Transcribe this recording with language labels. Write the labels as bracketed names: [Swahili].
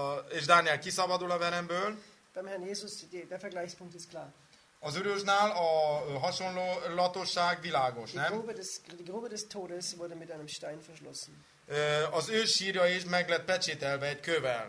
[Hungarian] és Daniel kiszabadul a veremből. [German] Beim Herrn Jesus, der Vergleichspunkt ist klar. [Hungarian] Az Úrnál a hasonlatosság világos, nem? [German] Die Grube des Todes wurde mit einem Stein verschlossen. [Hungarian] Az ő sírja is meg lett pecsételve egy kővel.